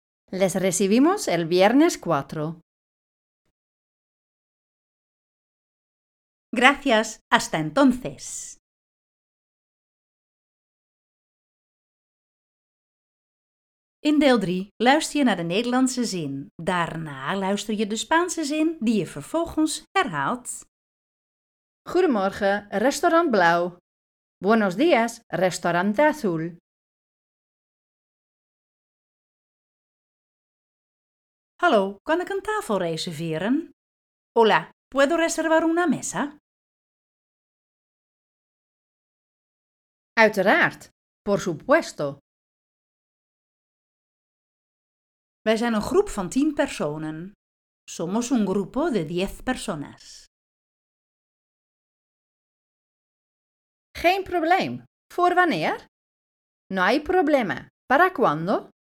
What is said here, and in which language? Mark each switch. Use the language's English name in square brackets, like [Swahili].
[Spanish] Les recibimos el viernes 4. Gracias, hasta entonces. [Dutch] In deel 3 luister je naar de Nederlandse zin. Daarna luister je de Spaanse zin die je vervolgens herhaalt. Goedemorgen, restaurant blauw. [Spanish] Buenos días, restaurante azul. [Dutch] Hallo, kan ik een tafel reserveren? [Spanish] Hola, ¿puedo reservar una mesa? [Dutch] Uiteraard, [Spanish] por supuesto. [Dutch] Wij zijn een groep van 10 personen. [Spanish] Somos un grupo de 10 personas. [Dutch] Geen probleem. Voor wanneer? [Spanish] No hay problema. ¿Para cuándo?